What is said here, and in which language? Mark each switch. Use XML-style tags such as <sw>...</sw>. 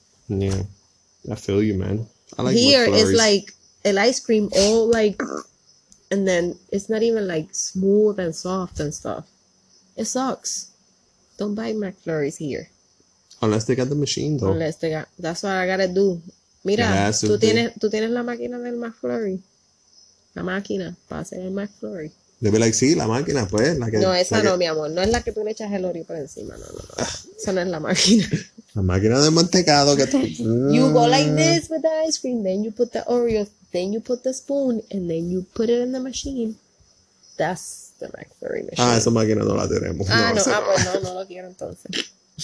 <en>Yeah, I feel you, man. I like here McFlurries. It's like an ice cream all like, and then it's not even like smooth and soft and stuff. It sucks. Don't buy McFlurries here. Unless they got the machine, though. Unless they got... That's what I gotta do.</en> <es>Mira, tú tienes la máquina del McFlurry. La máquina para hacer el McFlurry.</es> <en>They'll be like,</en> <es>sí, la máquina, pues. La que, no, esa la no, que... mi amor. No es la que tú le echas el Oreo por encima. No. Esa no es la máquina. La máquina de mantecado que tú...</es> <en>You go like this with the ice cream. Then you put the Oreo. Then you put the spoon. And then you put it in the machine. That's... The McFlurry machine.</en> <es>Ah, esa máquina no la tenemos. Ah, no, lo quiero entonces.</es>